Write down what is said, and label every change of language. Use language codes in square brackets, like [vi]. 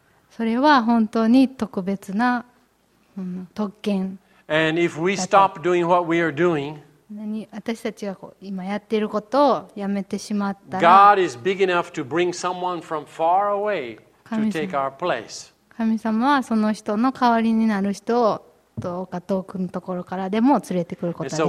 [ja] それは本当に特別な、特権。 [en] And if we stop doing what we are doing, [ja] 私たちが今やっていることをやめてしまったら、 [en] God is big enough to bring someone from far away to take our place. [ja] 神様はその人の代わりになる人をどうか遠くのところからでも連れてくることができます。